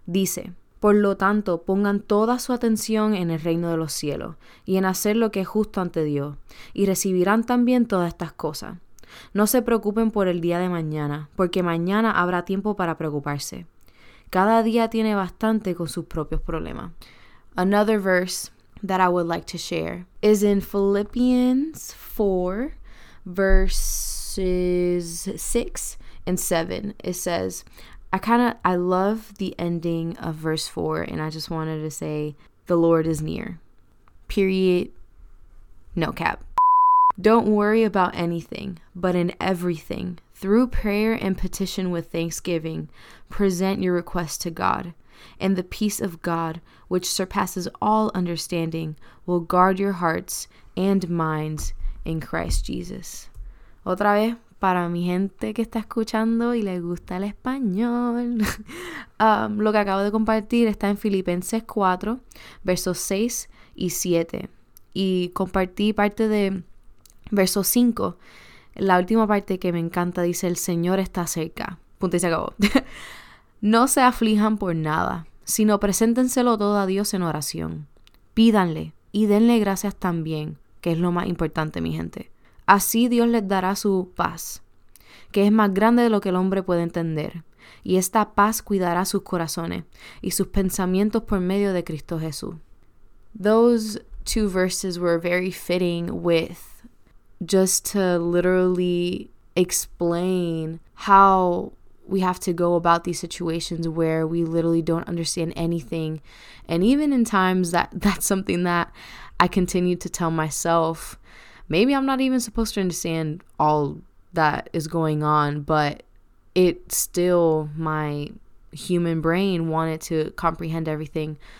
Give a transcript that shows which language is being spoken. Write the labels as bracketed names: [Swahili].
[Spanish] Dice, "Por lo tanto, pongan toda su atención en el reino de los cielos y en hacer lo que es justo ante Dios, y recibirán también todas estas cosas. No se preocupen por el día de mañana, porque mañana habrá tiempo para preocuparse. Cada día tiene bastante con sus propios problemas." [English] Another verse that I would like to share is in Philippians 4, verses 6 and 7. It says, I love the ending of verse 4, and I just wanted to say, the Lord is near. Period. No cap. "Don't worry about anything, but in everything, through prayer and petition with thanksgiving, present your request to God. And the peace of God, which surpasses all understanding, will guard your hearts and minds in Christ Jesus." [Spanish] Otra vez, para mi gente que está escuchando y le gusta el español. Lo que acabo de compartir está en Filipenses 4, versos 6 y 7. Y compartí parte de verso 5. La última parte que me encanta dice, "El Señor está cerca." Punto y se acabó. "No se aflijan por nada, sino preséntenselo todo a Dios en oración. Pídanle y denle gracias también, que es lo más importante, mi gente. Así Dios les dará su paz, que es más grande de lo que el hombre puede entender. Y esta paz cuidará sus corazones y sus pensamientos por medio de Cristo Jesús." [English] Those two verses were very fitting with just to literally explain how we have to go about these situations where we literally don't understand anything. And even in times that's something that I continue to tell myself, maybe I'm not even supposed to understand all that is going on, but it still, my human brain wanted to comprehend everything.